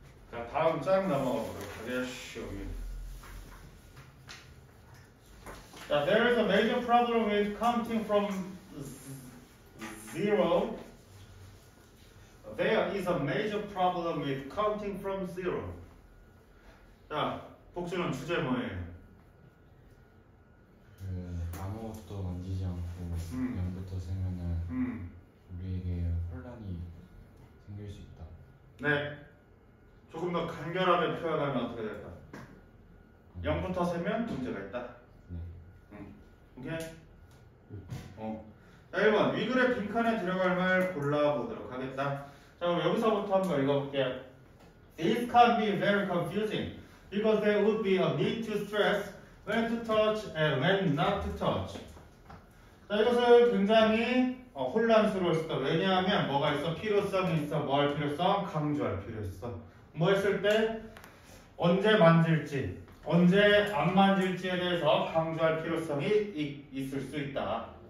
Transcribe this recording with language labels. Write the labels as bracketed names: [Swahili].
[Korean] 자, 다음 짝 넘어가도록 하겠습니다. [English] 자, there is a major problem with counting from zero. There is a major problem with counting from zero. [Korean] 자, 복수는 주제 뭐예요? 그 아무것도 만지지 않고 0부터 세면은 우리에게 혼란이 생길 수 있다. 네. 조금 더 간결하게 표현하면 어떻게 될까? 0부터 세면 문제가 있다. 네. 오케이? 자, 1번. 위글의 빈칸에 들어갈 말 골라보도록 하겠다. 자, 그럼 여기서부터 한번 읽어볼게요. [English] It can be very confusing because there would be a need to stress when to touch and when not to touch. [Korean] 자, 이것을 굉장히 혼란스러울 수 있다. 왜냐하면 뭐가 있어? 필요성이 있어. 뭐 할 필요성? 강조할 필요성. 뭐 했을 때 언제 만질지, 언제 안 만질지에 대해서 강조할 필요성이 있을 수 있다.